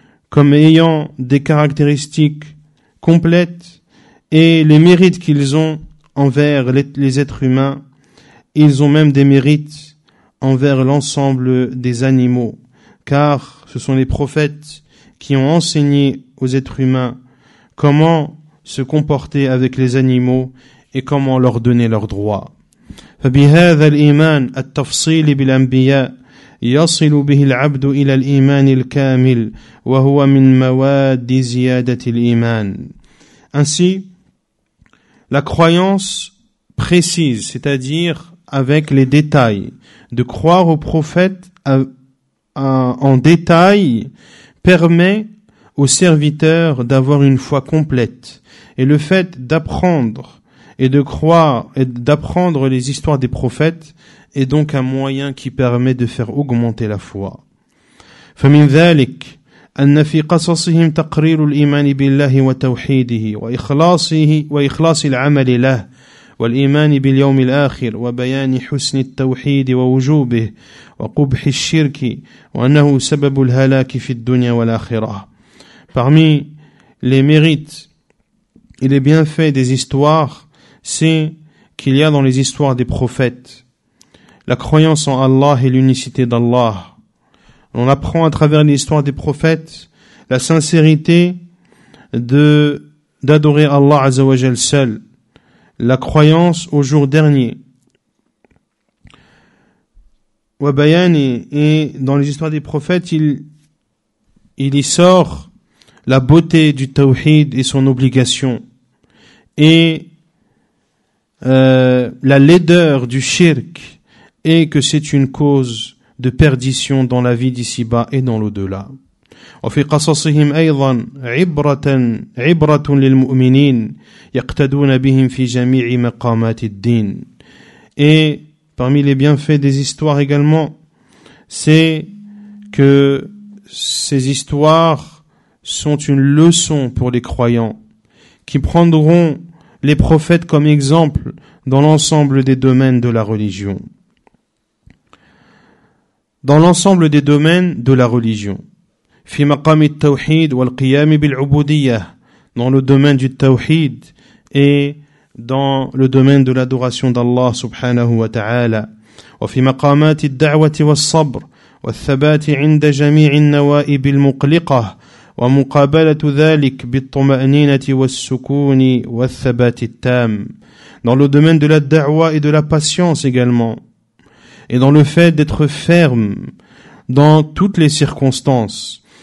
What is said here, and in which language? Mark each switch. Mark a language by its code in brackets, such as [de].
[fr] comme ayant des caractéristiques complètes et les mérites qu'ils ont envers les êtres humains, ils ont même des mérites envers l'ensemble des animaux, car ce sont les prophètes qui ont enseigné aux êtres humains comment se comporter avec les animaux et comment leur donner leurs droits. [ar] فبهذا الإيمان التفصيل بالأنبياء يصل به العبد إلى الإيمان الكامل وهو من مواد زيادة الإيمان. [fr] Ainsi, la croyance précise, c'est-à-dire avec les détails, de croire au prophète en détail, permet aux serviteurs d'avoir une foi complète. Et le fait d'apprendre et de croire et d'apprendre les histoires des prophètes est donc un moyen qui permet de faire augmenter la foi. [ar] فمن ذلك أن في قصصهم تقرير الإيمان بالله وتوحيده وإخلاص العمل له والإيمان باليوم الآخر وبيان حسن التوحيد ووجوبه وقبح الشرك وأنه سبب الهلاك في الدنيا والآخرة. [fr] Parmi les mérites et les bienfaits des histoires, c'est qu'il y a dans les histoires des prophètes la croyance en Allah et l'unicité d'Allah. On apprend à travers l'histoire des prophètes la sincérité d'adorer Allah Azza wa Jal seul, la croyance au jour dernier. Et dans les histoires des prophètes, il y sort la beauté du tawhid et son obligation. Et la laideur du shirk et que c'est une cause de perdition dans la vie d'ici-bas et dans l'au-delà. [ar] وفي قصصهم أيضا عبرة للمؤمنين يقتدون بهم في جميع مقامات الدين. [fr] Et parmi les bienfaits des histoires également, c'est que ces histoires sont une leçon pour les croyants qui prendront les prophètes comme exemple dans l'ensemble des domaines de la religion. Dans l'ensemble des domaines de la religion. [ar] في مقام التوحيد والقيام بالعبودية. [fr] Dans le domaine du tawhid et dans le domaine de l'adoration d'Allah subhanahu wa ta'ala. [ar] وفي مقامات الدعوة والصبر والثبات عند جميع النوائب المقلقة ومقابلة ذلك بالطمأنينة والسكون والثبات التام. [fr] Dans le domaine de la da'wa et de la patience également. Et dans le fait d'être ferme dans toutes les circonstances.